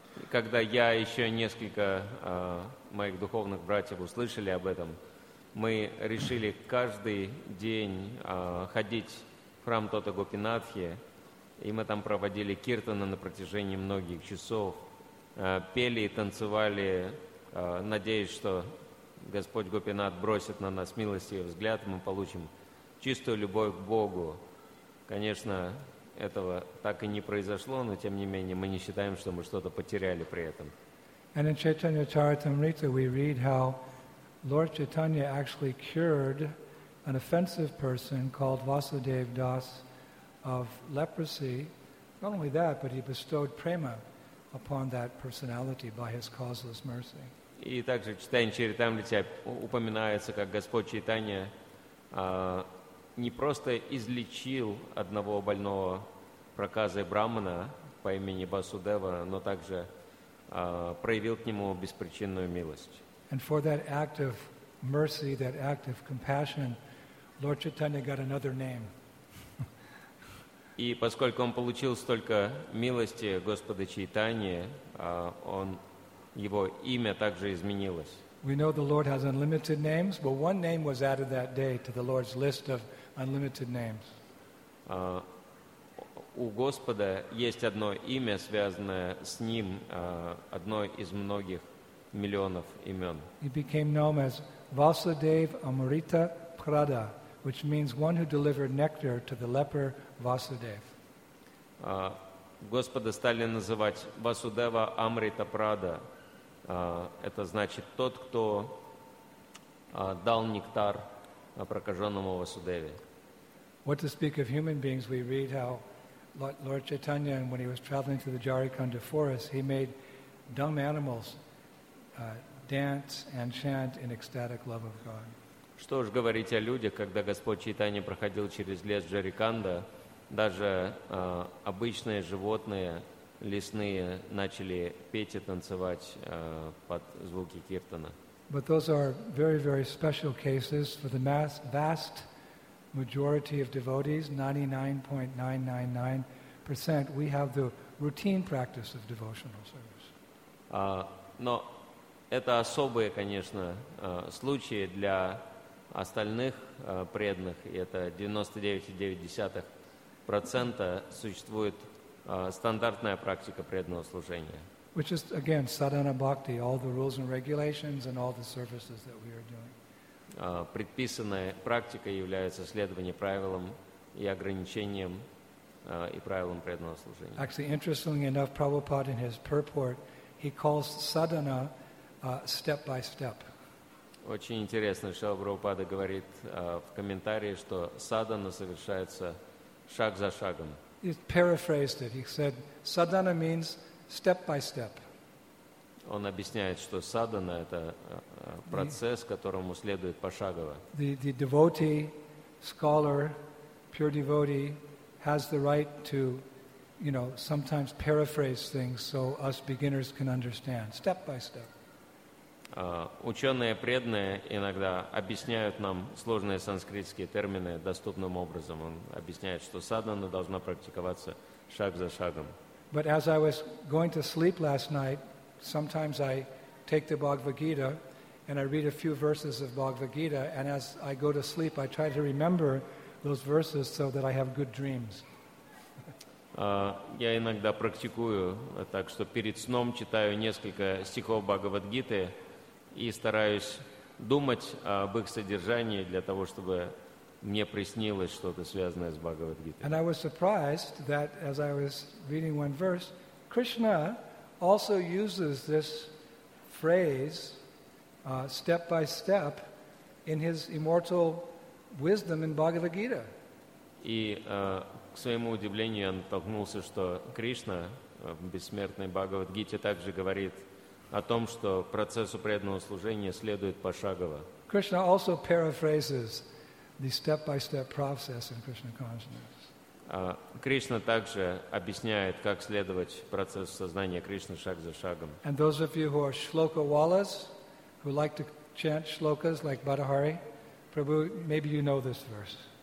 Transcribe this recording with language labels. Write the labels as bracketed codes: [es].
[ru] Когда я и еще несколько моих духовных братьев услышали об этом, мы решили каждый день ходить в храм Тота Гопинатхи, и мы там проводили киртаны на протяжении многих часов, пели и танцевали, надеясь, что Господь Гопинат бросит на нас милость и взгляд, и мы получим чистую любовь к Богу. Конечно, этого так и не произошло, но тем не менее мы не считаем, что мы что-то потеряли при этом. [en] And in Chaitanya Charitamrita we read how Lord Chaitanya actually cured an offensive person called Vasudev Das of leprosy. Not only that, but he bestowed prema upon that personality by his causeless mercy. [ru] И также в Чайтанья Чаритамрите упоминается, как Господь Чайтанья не просто излечил одного больного проказой брахмана по имени Васудева, но также проявил к нему беспричинную милость. [en] And for that act of mercy, that act of compassion, Lord Chaitanya got another name. [ru] И поскольку он получил столько милости Господа Чайтани, он, его имя также изменилось. [en] We know the Lord has unlimited names, but one name was added that day to the Lord's list of unlimited names. [ru] У Господа есть одно имя, связанное с Ним, одно из многих миллионов имен. [en] He became known as Vasudev Amrita Prada, which means one who delivered nectar to the leper Vasudev. [ru] Господа стали называть Васудева Амрита Прада. Это значит тот, кто дал нектар прокаженному Васудеве. [en] What to speak of human beings, we read how Lord Chaitanya, when he was traveling through the Jharkhand forest, he made dumb animals dance and chant in ecstatic love of God. [ru] Что ж говорить о людях, когда Господь Чайтанья проходил через лес Джариканда, даже обычные животные лесные начали петь и танцевать под звуки киртана. [en] But those are very, very special cases for the vast majority of devotees, 99.999%, we have the routine practice of devotional service. [ru] Но это особые, конечно, случаи для остальных преданных, и это 99.9% существует стандартная практика преданного служения. [en] Which is, again, sadhana bhakti, all the rules and regulations and all the services that we are doing. [ru] Предписанная практика является следование правилам и ограничениям и правилам преданного служения. [en] Actually, interestingly enough, Prabhupada in his purport, he calls sadhana step by step. [ru] Очень интересно, Шрила Прабхупада говорит в комментарии, что садхана совершается шаг за шагом. [en] He paraphrased it. He said, "Sadhana means step by step." [ru] Он объясняет, что садхана это процесс, которому следует пошагово. [en] The devotee, scholar, pure devotee, has the right to, you know, sometimes paraphrase things so us beginners can understand step by step. [ru] Ученые преданные иногда объясняют нам сложные санскритские термины доступным образом. Он объясняет, что садхана должна практиковаться шаг за шагом. [en] But as I was going to sleep last night, sometimes I take the Bhagavad Gita and I read a few verses of Bhagavad Gita, and as I go to sleep, I try to remember those verses so that I have good dreams. [ru] Я иногда практикую, так что перед сном читаю несколько стихов Бхагавад Гиты и стараюсь думать об их содержании для того, чтобы мне приснилось что-то связанное с Бхагавад Гитой. [en] And I was surprised that as I was reading one verse, Krishna also uses this phrase step by step in his immortal wisdom in Bhagavad Gita. [ru] И к своему удивлению я натолкнулся, что Кришна в бессмертной Бхагавад Гите также говорит о том, что процессу преданного служения следует пошагово. [en] Krishna also paraphrases the step-by-step process in Krishna consciousness. [ru] Кришна также объясняет, как следовать процессу сознания Кришны шаг за шагом. [en] And those of you who are shloka-walas, who like to chant shlokas like Badahari, Prabhu, maybe you know this verse.